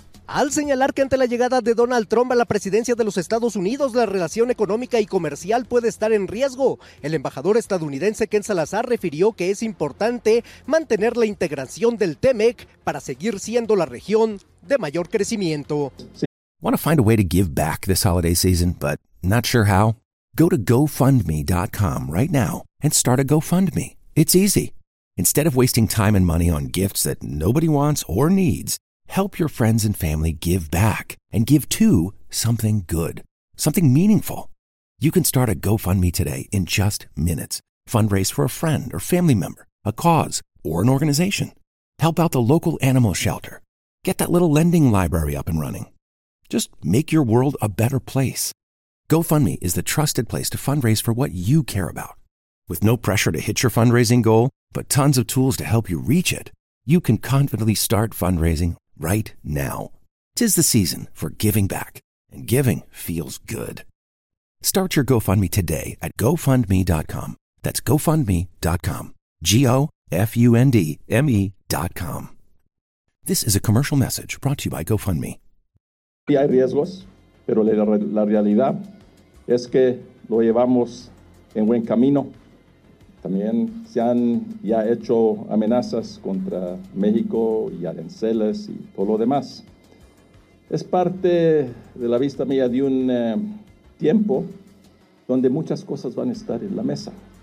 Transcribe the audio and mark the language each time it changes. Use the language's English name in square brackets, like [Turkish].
[Spanish] Al señalar que ante la llegada de Donald Trump a la presidencia de los Estados Unidos, la relación económica y comercial puede estar en riesgo, el embajador estadounidense Ken Salazar refirió que es importante mantener la integración del T-MEC para seguir siendo la región de mayor crecimiento. [English] Want to find a way to give back this holiday season, but not sure how? Go to GoFundMe.com right now and start a GoFundMe. It's easy. Instead of wasting time and money on gifts that nobody wants or needs, help your friends and family give back and give to something good, something meaningful. You can start a GoFundMe today in just minutes. Fundraise for a friend or family member, a cause, or an organization. Help out the local animal shelter. Get that little lending library up and running. Just make your world a better place. GoFundMe is the trusted place to fundraise for what you care about. With no pressure to hit your fundraising goal, but tons of tools to help you reach it, you can confidently start fundraising right now. Tis the season for giving back, and giving feels good. Start your GoFundMe today at GoFundMe.com. That's GoFundMe.com. GoFundMe.com. This is a commercial message brought to you by GoFundMe. [Spanish] Sí hay riesgos, pero la realidad es que lo llevamos en buen camino. También se han ya hecho amenazas contra México y aranceles y todo lo demás. Es parte de la vista mía de un tiempo donde muchas cosas van a estar en la mesa.